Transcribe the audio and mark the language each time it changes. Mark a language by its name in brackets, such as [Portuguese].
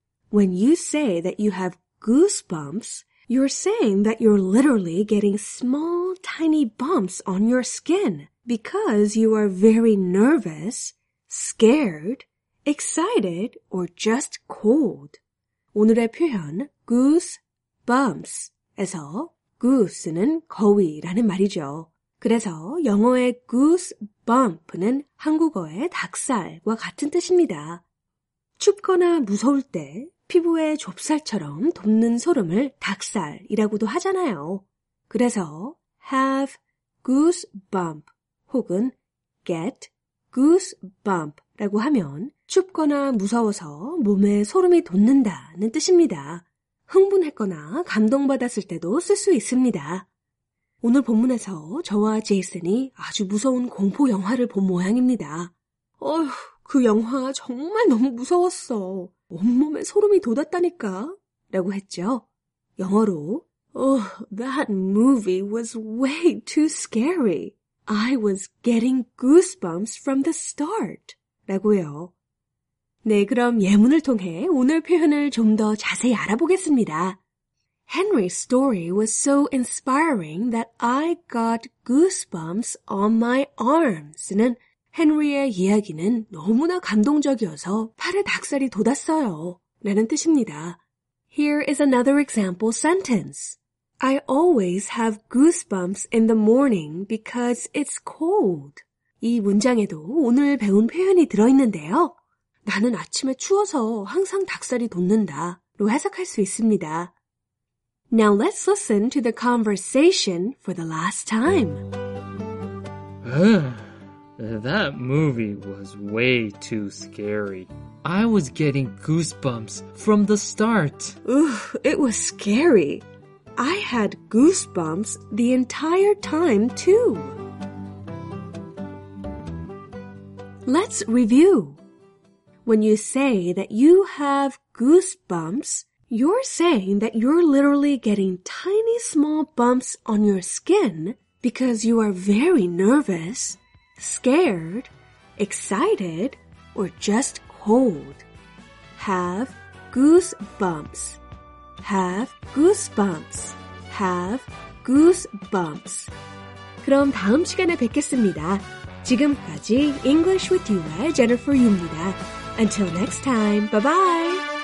[English] When you say that you have goosebumps, you're saying that you're literally getting small, tiny bumps on your skin because you are very nervous, scared, excited, or just cold. [Korean] 오늘의 표현, goosebumps 에서 goose는 거위라는 말이죠. 그래서 영어의 goosebump는 한국어의 닭살과 같은 뜻입니다. 춥거나 무서울 때 피부에 좁쌀처럼 돋는 소름을 닭살이라고도 하잖아요. 그래서 have goosebump 혹은 get goosebump 라고 하면 춥거나 무서워서 몸에 소름이 돋는다는 뜻입니다. 흥분했거나 감동받았을 때도 쓸 수 있습니다. 오늘 본문에서 저와 제이슨이 아주 무서운 공포 영화를 본 모양입니다. 어휴, 그 영화 정말 너무 무서웠어. 온몸에 소름이 돋았다니까. 라고 했죠. 영어로 [English] Oh, that movie was way too scary. I was getting goosebumps from the start. [Korean] 라고요. 네, 그럼 예문을 통해 오늘 표현을 좀 더 자세히 알아보겠습니다. [English] Henry's story was so inspiring that I got goosebumps on my arms는 [Korean] 헨리의 이야기는 너무나 감동적이어서 팔에 닭살이 돋았어요. 라는 뜻입니다. [English] Here is another example sentence. I always have goosebumps in the morning because it's cold. [Korean] 이 문장에도 오늘 배운 표현이 들어있는데요. 나는 아침에 추워서 항상 닭살이 돋는다 로 해석할 수 있습니다. [English] Now let's listen to the conversation for the last time. That movie was way too scary. I was getting goosebumps from the start. Ooh, it was scary. I had goosebumps the entire time too. Let's review. When you say that you have goosebumps, you're saying that you're literally getting tiny small bumps on your skin because you are very nervous, scared, excited, or just cold. Have goosebumps. Have goosebumps. Have goosebumps. [Korean] 그럼 다음 시간에 뵙겠습니다. 지금까지 [English] English with You의 Jennifer Yu입니다. Until next time, bye-bye!